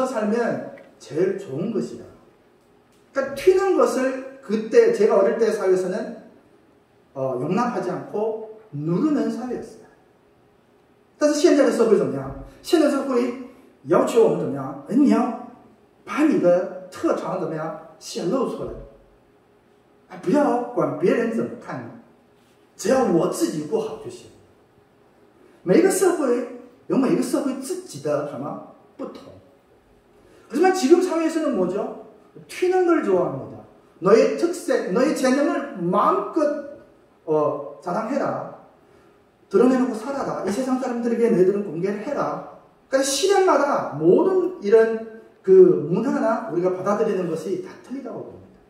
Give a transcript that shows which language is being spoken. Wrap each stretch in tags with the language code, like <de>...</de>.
<zh>你要低调一点，这是我小时候所学到的，或者是所听到的很多的话。</zh> <ko>제가 어릴 적에 그 사회에서는 저희들에게 이런 말을 많이 했어요. 뭘 하든지 튀지 말라. 뭘 할 때든지 너는 사람들에게 너의 재능을 다 보여주지 말라. 사람들 속에 묻혀 살면 제일 좋은 것이야. 그러니까 튀는 것을 그때 제가 어릴 때 사회에서는 용납하지 않고 누르는 사회였어요.</ko> <zh>但是现在的社会怎么样？现在社会要求我们怎么样？你要把你的特长怎么样显露出来，不要管别人怎么看你，只要我自己过好就行。每个社会有每个社会自己的什么不同，</zh> <ko>하지만 지금 사회에서는 뭐죠? 튀는 걸 좋아합니다. 너의 특색, 너의 재능을 마음껏 자랑해라. 드러내놓고 살아라. 이 세상 사람들에게 너희들은 공개를 해라. 그러니까 시대마다 모든 이런 그 문화나 우리가 받아들이는 것이 다 틀리다고 봅니다.</ko>